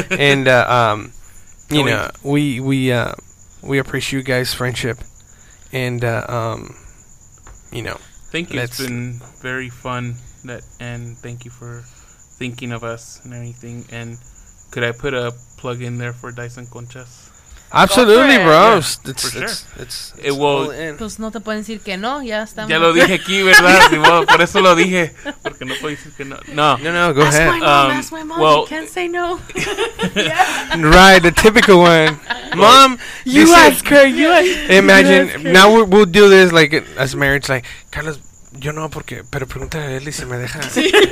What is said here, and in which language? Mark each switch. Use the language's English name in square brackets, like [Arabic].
[English] And, you know, we appreciate you guys' friendship. And, you know. Thank you. It's been very fun. And thank you for thinking of us and everything. And could I put a plug in there for Dyson Conchas? Absolutely, bro. Yeah, for sure. It's well, [Spanish] pues no te pueden decir que no, ya estamos. Ya lo dije aquí, ¿verdad? Sí, bueno, por eso lo dije, porque no puedo decir que no. [English] No, no, no, go ask ahead. My mom, ask my mom, well, you can't say no. Yeah. Right, the typical one. Mom, you ask her, you ask. Imagine, you ask her. Now we'll do this like as marriage, like, Carlos, [Spanish] yo no, porque, pero pregúntale a él y se me deja. [English] Sí.